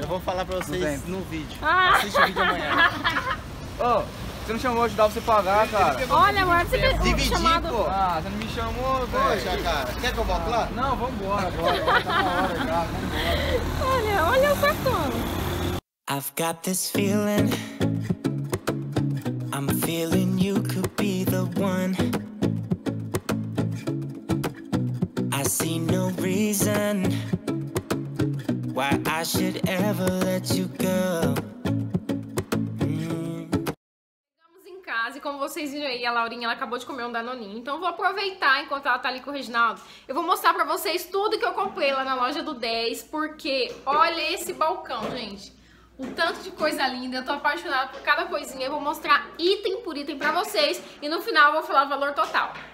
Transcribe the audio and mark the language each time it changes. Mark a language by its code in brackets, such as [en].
[pt] Eu vou falar pra vocês no vídeo. Assiste o vídeo amanhã. Ô, oh, você não chamou pra ajudar você a pagar, cara? Olha, agora você fez um chamado. Pô. Ah, você não me chamou, velho. Poxa, cara. Quer que eu volte lá? Não, vambora agora. Tá na hora já, vambora. Olha, olha o cartão. [en] I've got this feeling, I'm feeling you could be the one. I see no reason why I should ever let you go. [pt] Chegamos em casa e como vocês viram aí, a Laurinha ela acabou de comer um danoninho. Então eu vou aproveitar enquanto ela tá ali com o Reginaldo. Eu vou mostrar pra vocês tudo que eu comprei lá na loja do 10, porque olha esse balcão, gente. Um tanto de coisa linda, eu tô apaixonada por cada coisinha. Eu vou mostrar item por item pra vocês e no final eu vou falar o valor total.